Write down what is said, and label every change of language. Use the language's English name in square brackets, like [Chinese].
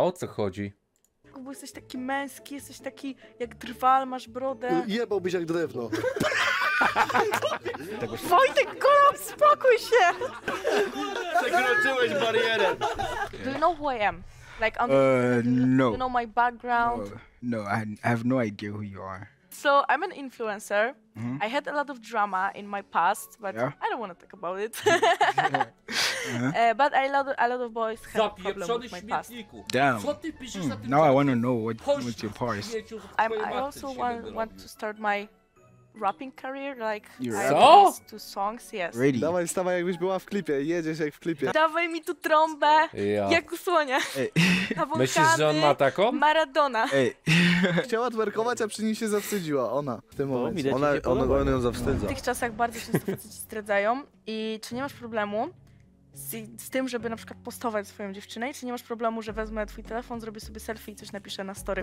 [Polish] O co chodzi? Bo jesteś taki męski, jesteś taki jak drwal, masz brodę. Jebałbyś jak drewno. Wojtek, Golub, spokój się! Przekroczyłeś barierę. [English] Do you know who I am? Like, on no. You know my background? No, I have no idea who you are. So, I'm an influencer. Mm-hmm. I had a lot of drama in my past, but yeah. I don't want to talk about it. Yeah. But a lot of boys had a problem with my past. Damn. Now I want to know what's your past. I also want to start my rapping career, like I have two songs, yes. Ready. [Polish] Dawaj, stawaj jakbyś była w klipie, jedziesz jak w klipie. Dawaj mi tu trąbę, jak u słonia. Ej. Myślisz, że on ma taką? Maradona. Ej. Chciała twerkować, a przy nim się zawstydziła, ona w tym momencie. Ona ją zawstydza. W tych czasach bardzo często facet się zdradzają i czy nie masz problemu z tym, żeby na przykład postować swoją dziewczynę, czy nie masz problemu, że wezmę twój telefon, zrobię sobie selfie i coś napiszę na story.